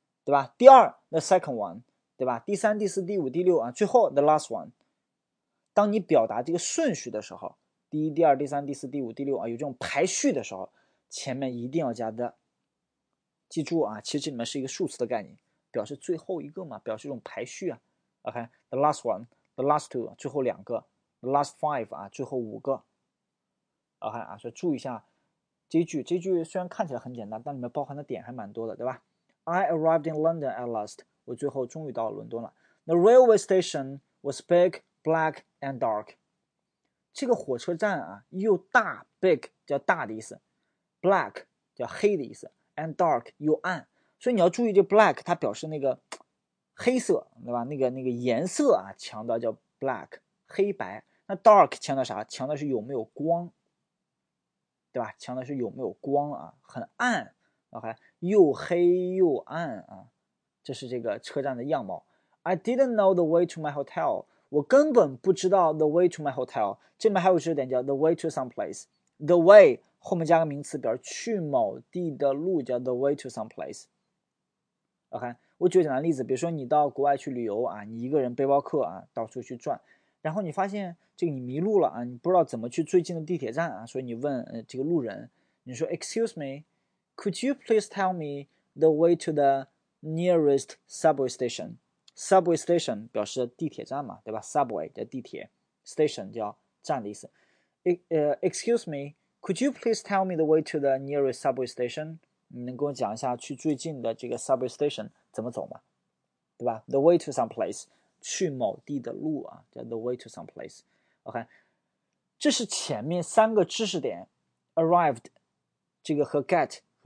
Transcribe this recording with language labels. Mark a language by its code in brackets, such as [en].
[zh] 对吧第二 [en] the second one, [zh] 对吧第三第四第五第六啊最后 [en] the last one。 [zh] 当你表达这个顺序的时候第一第二第三第四第五第六啊有这种排序的时候前面一定要加 the。记住啊其实这里面是一个数词的概念表示最后一个嘛表示一种排序啊。 OK, the last one, the last two, 最后两个 ,the last five, 啊最后五个。 OK, 啊所以注意一下这句虽然看起来很简单但里面包含的点还蛮多的对吧 [en] I arrived in London at last. [zh] 我最后终于到了伦敦了。 [en] The railway station was big, black, and dark. [zh] 这个火车站啊，又大 big 叫大的意思 ，black 叫黑的意思 ，and dark 又暗。所以你要注意，这 black 它表示那个黑色，对吧？那个颜色啊，强调叫 black 黑白。那 dark 强调啥？强调是有没有光，对吧？强调是有没有光啊，很暗。OK。又黑又暗啊，这是这个车站的样貌。 [en] I didn't know the way to my hotel. [zh] 我根本不知道 [en] the way to my hotel. [zh] 这边还有一点叫 the way to some place. The way 后面加个名词，表示去某地的路，叫 the way to some place. OK， 我举个简单例子，比如说你到国外去旅游啊，你一个人背包客啊，到处去转，然后你发现这个你迷路了啊，你不知道怎么去最近的地铁站啊，所以你问这个路人，你说 [en] Excuse me。 Could you please tell me the way to the nearest subway station? [zh] Subway station 表示地铁站嘛，对吧 ？Subway 叫地铁 ，station 叫站的意思。 [en] Excuse me, could you please tell me the way to the nearest subway station? [zh] 你能跟我讲一下去最近的这个 subway station 怎么走吗？对吧 ？The way to some place 去某地的路啊，叫 the way to some place. OK， 这是前面三个知识点 ，arrived 这个和 get。